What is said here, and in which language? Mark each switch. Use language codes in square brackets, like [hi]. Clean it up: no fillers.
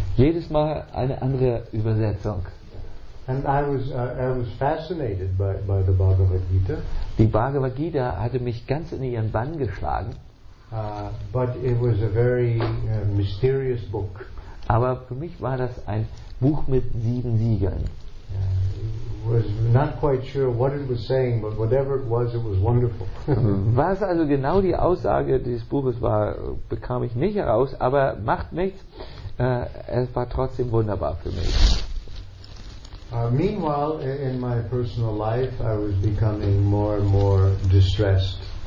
[de] Jedes Mal eine andere Übersetzung. [en] And I was fascinated by the Bhagavad Gita. [de] Die Bhagavad Gita hatte mich ganz in ihren Bann geschlagen. [en] But it was a very mysterious book. [de] Aber für mich war das ein Buch mit sieben Siegeln. [en] Was not quite sure what it was saying, but whatever it was wonderful. [de] Was also genau die Aussage dieses Buches war, bekam ich nicht heraus, aber macht nichts. Es war trotzdem wunderbar für mich. Meanwhile, in my personal life, I was becoming more and more distressed.